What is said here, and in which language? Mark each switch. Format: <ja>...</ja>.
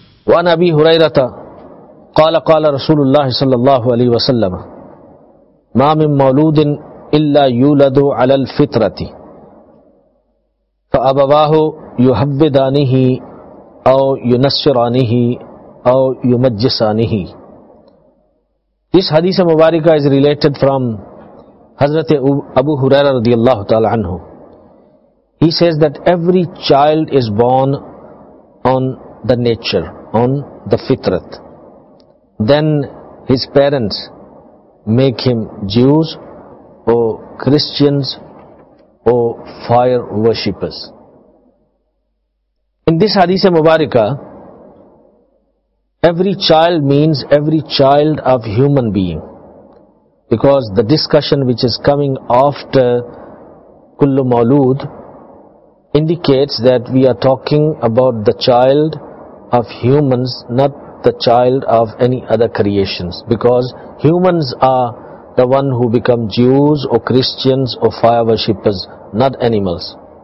<ar>وعن ابی ہریرہ قال قال رسول اللہ صلی اللہ علیہ وسلم ما من مولود الا یولد علی الفطرۃ فابواہ یحبدانہ او ینصرانہ او یمجسانہ.</ar> <en>اس حدیث مبارکہ از ریلیٹڈ فرام حضرت ابو ہریرہ رضی اللہ تعالی عنہ. He says that every child is born on the nature on the فطرت then his parents make him Jews or Christians or fire worshippers. In this حدیث مبارکہ every child means every child of human being, because the discussion which is coming after</en> <ar>kullu maulud</ar> <en>indicates that we are talking about the child of humans, not the child of any other creations, because humans are the one who become Jews or Christians or fire worshippers, not animals.</en>